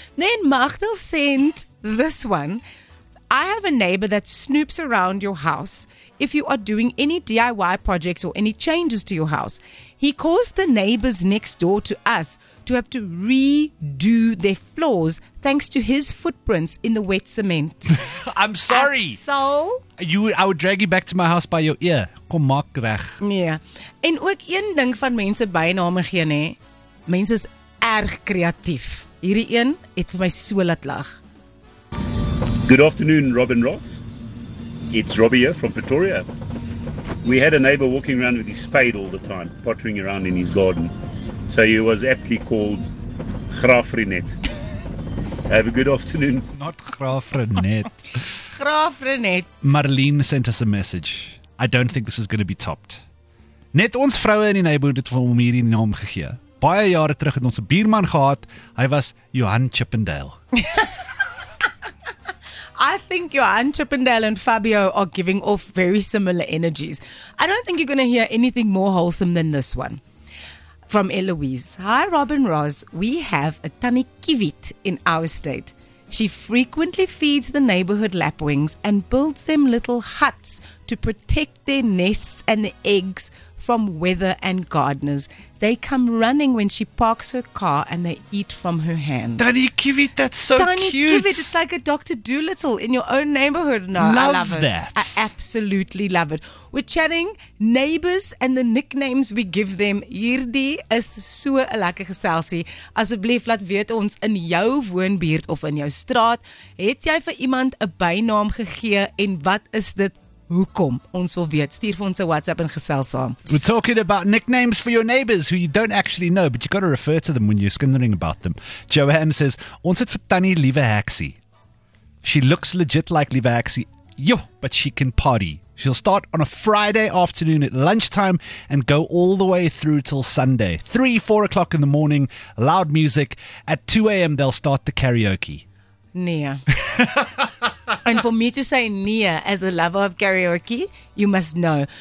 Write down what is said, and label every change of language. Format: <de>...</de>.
<en>Then Machtel sent this one. I have a neighbor that snoops around your house if you are doing any DIY projects or any changes to your house. He caused the neighbors next door to us to have to redo their floors thanks to his footprints in the wet cement. I'm sorry. So? I would drag you back to my house by your ear.</en> <af>Kom maak reg. Nee. En ook een ding van mense byname gee, nê. Mense is erg kreatief. Hierdie een het vir my so laat lag.</af> <en>Good afternoon, Robin Ross. It's Robbie here from Pretoria. We had a neighbor walking around with his spade all the time, pottering around in his garden. So he was aptly called Graafrenet. Have a good afternoon. Not Graafrenet. Graafrenet. Marlene sent us a message. I don't think this is going to be topped.</en> <af>Net ons vroue in die neighborhood het vir hom hierdie naam gegee. Baie jare terug het ons 'n buurman gehad. Hy was Johan Chippendale.</af> <en>I think Johan Chippendale and Fabio are giving off very similar energies. I don't think you're going to hear anything more wholesome than this one. From Eloise. Hi, Robin Roz. We have a tani kiwit in our estate. She frequently feeds the neighborhood lapwings and builds them little huts to protect their nests and the eggs from weather and gardeners. They come running when she parks her car and they eat from her hand. Tani Kivit, that's so tani cute. Tani Kivit, it's like a Dr. Doolittle in your own neighborhood. No, love I love that. It. I absolutely love it. We're chatting neighbors and the nicknames we give them.</en> <af>Hierdie is so 'n lekker geselsie. Asseblief laat weet ons in jou woonbuurt of in jou straat, het jy vir iemand 'n bynaam gegee en wat is dit? Hoekom? Ons wil weet. Stuur vir ons 'n WhatsApp en gesels saam.</af> <en>We're talking about nicknames for your neighbors who you don't actually know, but you got to refer to them when you're skindering about them. Joanne says,</en> <af>ons het vir Tannie Liewe Heksie.</af> <en>She looks legit like Liewe Heksie. Yo, but she can party. She'll start on a Friday afternoon at lunchtime and go all the way through till Sunday. 3-4 o'clock in the morning, loud music. At 2 a.m., they'll start the karaoke.</en> <af>Nia.</af> <en>And for me to say Nia as a lover of karaoke, you must know.</en>